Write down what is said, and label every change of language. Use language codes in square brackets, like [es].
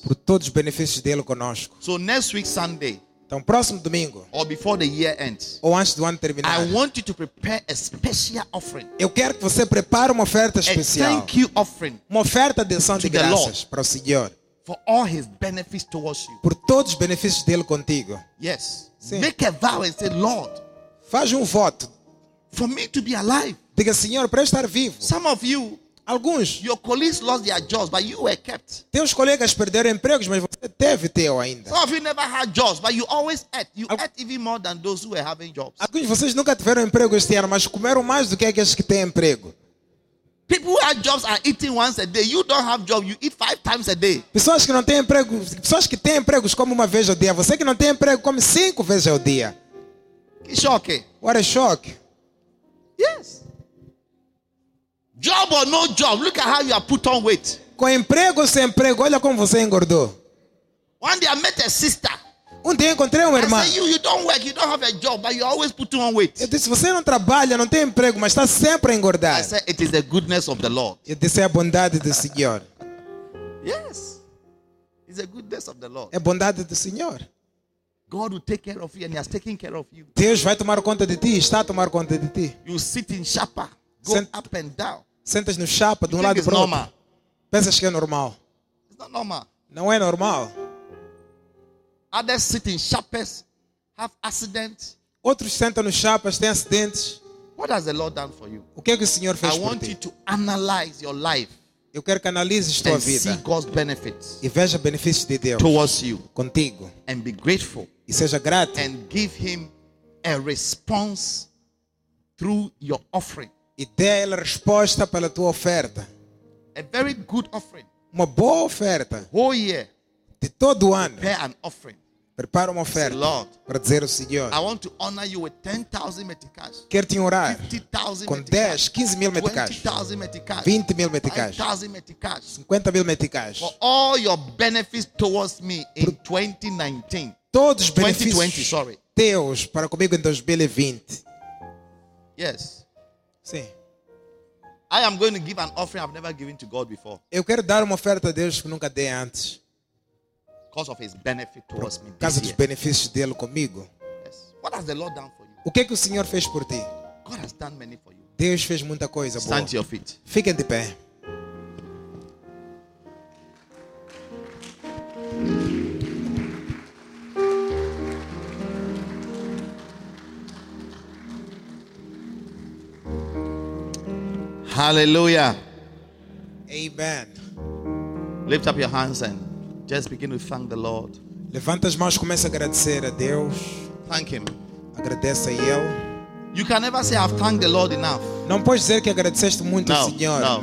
[pt] Por todos os benefícios dele conosco. [en] So next week Sunday, [pt] então, próximo domingo, [en] or before the year ends, [pt] ou antes do ano terminar, [en] I want you to prepare a special offering. [pt] Eu quero que você prepare uma oferta especial. [en] A thank you offering. [pt] Uma oferta de ação de graças para o Senhor. [en] For all his benefits towards you. [pt] Por todos os benefícios dele contigo. [en] Yes. [pt] Sim. [en] Make a vow and say, Lord, [pt] faz um voto. [en] For me to be alive. [pt] Diga, Senhor, para eu estar vivo. [en] Some of you, [pt] alguns, [en] your colleagues lost their jobs, but you were kept. [pt] Teus colegas perderam empregos, mas você teve teu ainda. [en] Some of you never had jobs, but you always ate. You ate even more than those who were having jobs. [pt] Alguns de vocês nunca tiveram emprego este ano, mas comeram mais do que aqueles que têm emprego. [en] People who have jobs are eating once a day. You don't have job, you eat 5 times a day. [pt] Pessoas que não têm emprego, pessoas que têm empregos comem uma vez ao dia. Você que não tem emprego come 5 vezes ao dia. Que choque! [en] What a shock! Yes. Job or no job, look at how you are put on weight. [pt] Com emprego ou sem emprego, olha como você engordou. [en] One day I met a sister. [pt] Um dia encontrei uma irmã. [en] I said, you don't work, you don't have a job, but you always put on weight. [pt] Eu disse, você não trabalha, não tem emprego, mas está sempre a engordar. [en] I said, it is the goodness of the Lord. [pt] Eu disse, é a bondade do Senhor. [en] Yes. It's the goodness of the Lord. [pt] É a bondade do Senhor. [en] God will take care of you and he has taken care of you. [pt] Deus vai tomar conta de ti e está a tomar conta de ti. [en] You sit in chapa. Go up and down. [pt] Sentas no chapa de um lado para o outro. Pensas que é normal? [en] It's not normal. [pt] Não é normal. [en] Others sit in chapas, have accidents. [pt] Outros sentam no chapas, têm acidentes. [en] What has the Lord done for you? [pt] O que é que o Senhor fez [en] I [pt] por [en] want [pt] ti? [en] You to analyze your life. [pt] Eu quero que analises tua vida. [en] See God's benefits. [pt] E veja benefícios de Deus. [en] Towards you. [pt] Contigo. [en] And be grateful. [pt] E seja grato. [en] And give him a response through your offering. [pt] E dê a ele resposta pela tua oferta. [en] A very good offering. [pt] Uma boa oferta. [en] Whole year. [pt] De todo o ano. [en] Prepare an offering. [pt] Prepara uma oferta. [en] Say, Lord, [pt] para dizer ao Senhor. [en] I want to honor you with 10,000 meticais. [pt] Quero te honrar. [en] 50,000 [pt] com 10, 15 mil meticais. [en] 20,000 meticais. [pt] 20 mil meticais. [en] 50,000 meticais. [pt] 50 mil meticais. [en] For all your benefits towards me in 2019. [pt] Todos os benefícios teus para comigo em 2020. [en] Yes. [pt] Sim. [en] I am going to give an offering I've never given to God before. [pt] Eu quero dar uma oferta a Deus que nunca dei antes. [en] Because of his benefit towards me. [pt] Por causa dos benefícios dele comigo. [en] Yes. What has the Lord done for you? [pt] O que é que o Senhor fez por ti? [en] God has done many for you. [pt] Deus fez muita coisa boa. [en] Stand to your feet. [pt] Fiquem de pé. [en] Hallelujah. Amen. Lift up your hands and just begin to thank the Lord. [pt] Levanta as mãos, começa a agradecer a Deus. [en] Thank him. [pt] Agradece a ele. [en] You can never say I've thanked the Lord enough. [pt] Não podes dizer que agradeceste muito ao Senhor.